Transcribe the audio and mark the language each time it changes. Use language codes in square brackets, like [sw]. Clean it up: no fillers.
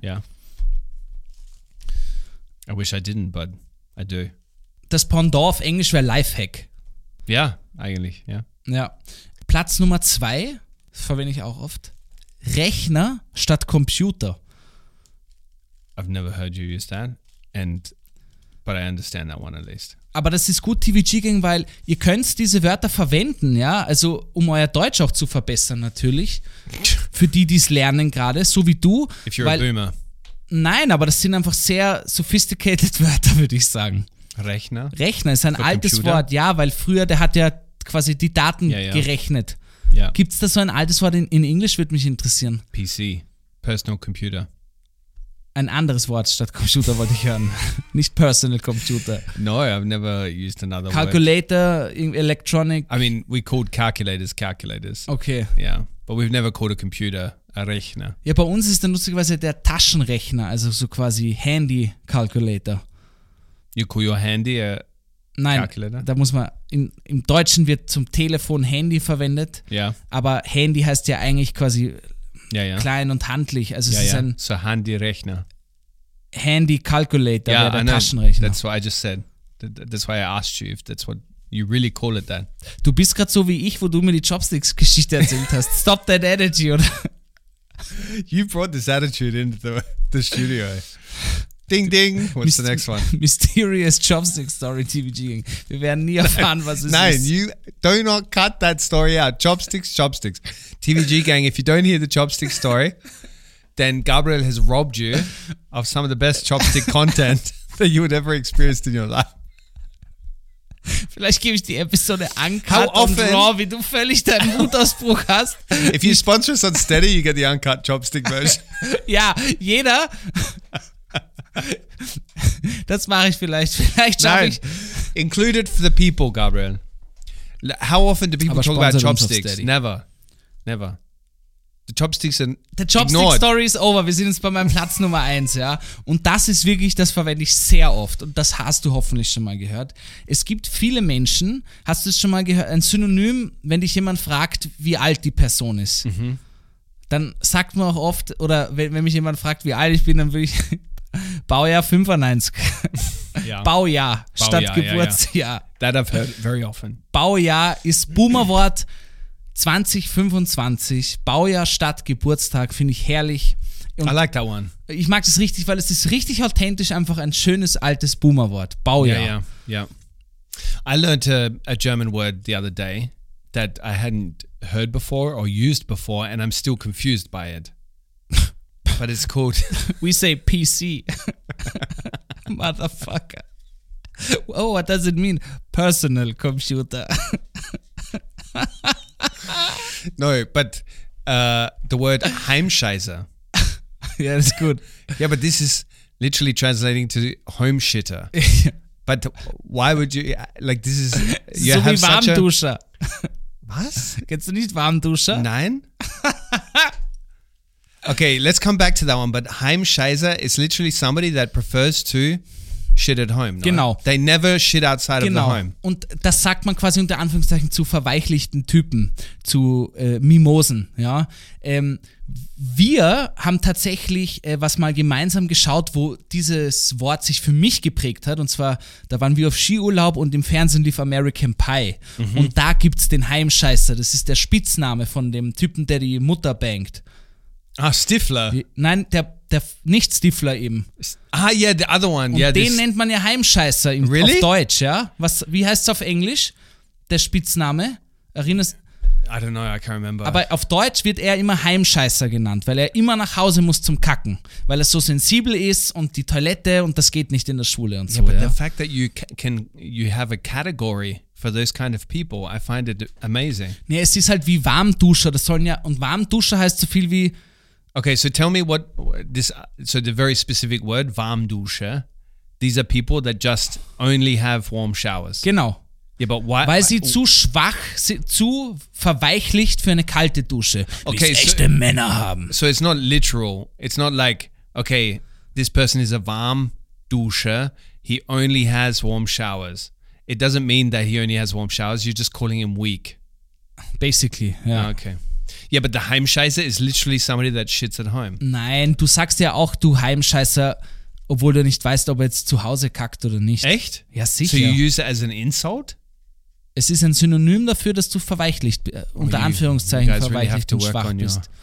[de] Ja. [en] Yeah. I wish I didn't, but I do. [de] Das Pendant auf Englisch wäre Lifehack. Ja, eigentlich, ja. Ja. Platz Nummer 2, verwende ich auch oft, Rechner statt Computer. [en] I've never heard you use that, but I understand that one at least. [de] Aber das ist gut, TVG-Gang, weil ihr könnt diese Wörter verwenden, ja, also um euer Deutsch auch zu verbessern natürlich, für die, die es lernen gerade, so wie du. [en] If you're a boomer. [de] Nein, aber das sind einfach sehr sophisticated Wörter, würde ich sagen. Rechner? Rechner ist ein für altes Computer? Wort, ja, weil früher, der hat ja quasi die Daten ja. gerechnet. Ja. Gibt es da so ein altes Wort in Englisch, würde mich interessieren. [en] PC, Personal Computer. [de] Ein anderes Wort statt Computer wollte ich hören. Nicht Personal Computer. [en] No, I've never used another Calculator, word. Calculator, electronic. I mean, we called calculators. Okay. Yeah, but we've never called a computer a Rechner. [de] Ja, bei uns ist dann lustigerweise der Taschenrechner, also so quasi Handy-Calculator. [en] You call your handy a [de] Nein, [en] calculator? [de] Nein, da muss man, im Deutschen wird zum Telefon Handy verwendet. Ja. [en] Yeah. [de] Aber Handy heißt ja eigentlich quasi ja, ja. klein und handlich. Also es ja, ist ja. ein so Handy-Rechner. Handy-Calculator, ja, der Taschenrechner. [en] That's what I just said. That's why I asked you if that's what you really call it then. [de] Du bist gerade so wie ich, wo du mir die Chopsticks-Geschichte erzählt hast. [en] Stop that energy, [de] oder? [en] You brought this attitude into the studio. Ding, ding. What's the next one? [de] Mysterious Chopstick-Story, TVG-Gang. Wir werden nie erfahren, was es Nein, ist. Nein, [en] you do not cut that story out. Chopsticks. TVG-Gang, if you don't hear the Chopstick story, then Gabriel has robbed you of some of the best Chopstick content that you would ever experienced in your life. [de] Vielleicht gebe ich die Episode Uncut und Raw, wie du völlig deinen Wutausbruch hast. [en] If you sponsor us on Steady, you get the Uncut Chopstick version. [de] Ja, jeder... Das mache ich vielleicht. Vielleicht schaffe ich. [en] Included for the people, Gabriel. How often do people talk about chopsticks? Never. Never. The chopsticks are The chopstick ignored. Story is over. [de] Wir sind jetzt bei meinem Platz Nummer 1, ja. Und das ist wirklich, das verwende ich sehr oft. Und das hast du hoffentlich schon mal gehört. Es gibt viele Menschen, hast du es schon mal gehört? Ein Synonym, wenn dich jemand fragt, wie alt die Person ist. Mhm. Dann sagt man auch oft, oder wenn mich jemand fragt, wie alt ich bin, dann würde ich. Baujahr 95. Ja. Baujahr statt Geburtsjahr. Ja, ja. [en] That I've heard very often. [de] Baujahr ist Boomerwort 2025, Baujahr statt Geburtstag, finde ich herrlich. Und [en] I like that one. [de] Ich mag das richtig, weil es ist richtig authentisch, einfach ein schönes altes Boomer-Wort. Baujahr. [en] Yeah, yeah, yeah. I learned a German word the other day that I hadn't heard before or used before and I'm still confused by it. But it's called... We say PC. Motherfucker. Oh, what does it mean? Personal computer. No, but the word Heimscheiße. Yeah, that's good. Yeah, but this is literally translating to home shitter. But why would you... Like, this is... You so have [de] wie Warmduscher. Was? Kennst du nicht Warmduscher? Nein. [en] Okay, let's come back to that one. But Heimscheiße is literally somebody that prefers to shit at home. [de] Genau. [en] No? They never shit outside [de] genau. [en] of the home. [de] Und das sagt man quasi unter Anführungszeichen zu verweichlichten Typen, zu Mimosen. Ja? Wir haben tatsächlich was mal gemeinsam geschaut, wo dieses Wort sich für mich geprägt hat. Und zwar, da waren wir auf Skiurlaub und im Fernsehen lief American Pie. Mhm. Und da gibt's den Heimscheißer. Das ist der Spitzname von dem Typen, der die Mutter bangt. Ah, Stifler. Nein, der nicht Stifler eben. [en] Ah, yeah, the other one. [de] Und [en] yeah, [de] den nennt man ja Heimscheißer im, [en] really? [de] Auf Deutsch, ja? Wie heißt es auf Englisch, der Spitzname? Erinnerst du? [en] I don't know, I can't remember. [de] Aber auf Deutsch wird er immer Heimscheißer genannt, weil er immer nach Hause muss zum Kacken, weil er so sensibel ist und die Toilette und das geht nicht in der Schule und so, [en] yeah, but [de] ja? [en] The fact that you can, you have a category... For those kind of people, I find it amazing. [de] Nee, es ist halt wie Warmduscher. Das sollen ja, und Warmduscher heißt so viel wie... [en] Okay, so tell me what this... So the very specific word, Warmduscher. These are people that just only have warm showers. [de] Genau. [en] Yeah, but why... [de] Weil sie zu schwach, zu verweichlicht für eine kalte Dusche. [en] Okay, [de] wie's echte Männer haben. [en] So it's not literal. It's not like, okay, this person is a Warmduscher. He only has warm showers. It doesn't mean that he only has warm showers. You're just calling him weak. Basically, yeah. Okay. Yeah, but the Heimscheißer is literally somebody that shits at home. [de] Nein, du sagst ja auch, du Heimscheißer, obwohl du nicht weißt, ob er jetzt zu Hause kackt oder nicht. Echt? Ja, sicher. [en] So you use it as an insult? [de] Es ist ein Synonym dafür, dass du verweichlicht, unter Anführungszeichen verweichlicht und schwach bist.